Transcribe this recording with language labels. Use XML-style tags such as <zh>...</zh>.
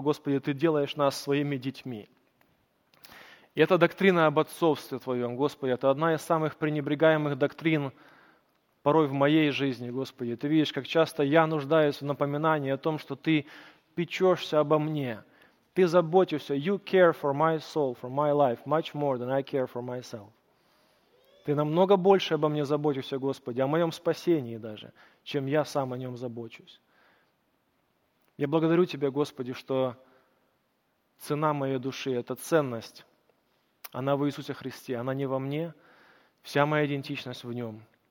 <ru>Господи, Ты делаешь нас Своими детьми. И эта доктрина об отцовстве Твоем, Господи, это одна из самых пренебрегаемых доктрин порой в моей жизни, Господи. Ты видишь, как часто я нуждаюсь в напоминании о том, что Ты печешься обо мне. Ты заботишься.</ru> <en>You care for my soul, for my life, much more than I care for myself.</en> <ru>Ты намного больше обо мне заботишься, Господи, о моем спасении даже, чем я сам о нем забочусь. Я благодарю Тебя, Господи, что цена моей души – это ценность. Она в Иисусе Христе, она не во мне, вся моя идентичность в Нем.</ru>